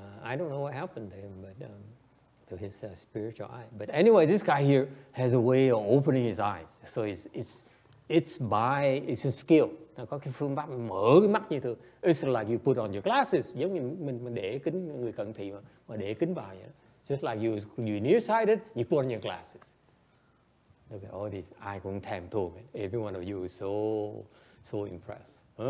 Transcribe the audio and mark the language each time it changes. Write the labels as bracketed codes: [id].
[en] I don't know what happened to him, but to his spiritual eye. But anyway, this guy here has a way of opening his eyes. So it's a skill. [vi] Nó có cái phương pháp mở cái mắt như thường. [en] It's like you put on your glasses, [vi] giống như mình để kính người cận thị mà để kính vào vậy. [en] Just like you nearsighted, you put on your glasses. Look at all these, [vi] ai cũng thèm thuồng. [en] Every one of you is so impressed.